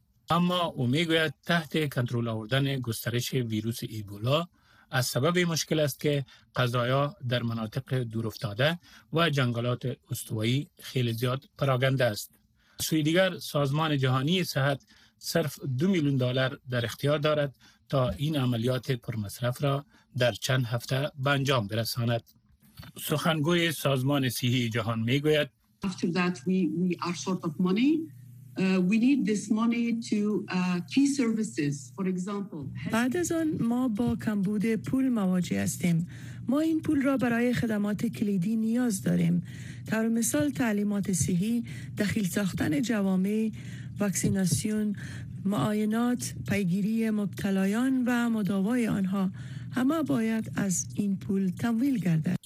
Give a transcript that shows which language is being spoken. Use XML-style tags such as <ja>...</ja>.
<fa>اما او میگوید تحت کنترل آوردن گسترش ویروس ایبولا از سبب مشکل است که قضایا در مناطق دورافتاده و جنگلات استوایی خیلی زیاد پراگنده است. سوی دیگر سازمان جهانی صحت صرف $2 میلیون در اختیار دارد تا این عملیات پرمصرف را در چند هفته به انجام برساند. سخنگوی سازمان صحی جهان می گوید</fa> <en>After that we are short of money. We need this money to key services, for example.</en> <fa>بعد از آن ما با کمبود پول مواجه هستیم. ما این پول را برای خدمات کلیدی نیاز داریم. طور مثال تعلیمات صحی، دخیل ساختن جوامع، واکسیناسیون، معاینات، پیگیری مبتلایان و مداوای آنها همه باید از این پول تمویل گردد.</fa>